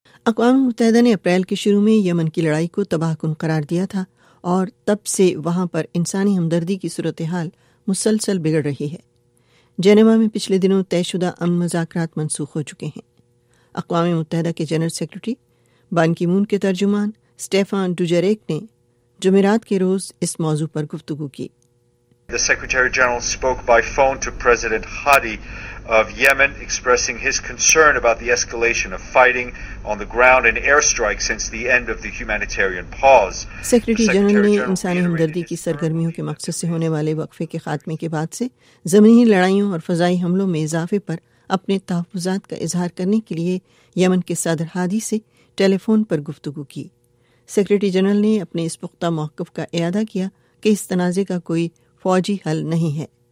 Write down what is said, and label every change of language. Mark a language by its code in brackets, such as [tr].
[ur] اقوام متحدہ نے اپریل کے شروع میں یمن کی لڑائی کو تباہ کن قرار دیا تھا، اور تب سے وہاں پر انسانی ہمدردی کی صورتحال مسلسل بگڑ رہی ہے. جنیوا میں پچھلے دنوں طے شدہ امن مذاکرات منسوخ ہو چکے ہیں. اقوام متحدہ کے جنرل سیکرٹری بان کی مون کے ترجمان سٹیفان ڈوجریک نے جمعرات کے روز اس موضوع پر گفتگو کی. [en] The Secretary General spoke by phone to President Hadi of Yemen, expressing his concern about the escalation of fighting on the ground and airstrikes since the end of the humanitarian pause. [ur] Secretary General نے انسانی ہمدردی کی سرگرمیوں کے مقصد سے ہونے والے وقفے کے خاتمے کے بعد سے زمینی لڑائیوں اور فضائی حملوں میں اضافے پر اپنے تحفظات کا اظہار کرنے کے لیے یمن کے صدر ہادی سے ٹیلی فون پر گفتگو کی. سیکرٹری جنرل نے اپنے اس پختہ موقف کا اعادہ کیا کہ اس تنازع کا کوئی فوجی حل نہیں ہے.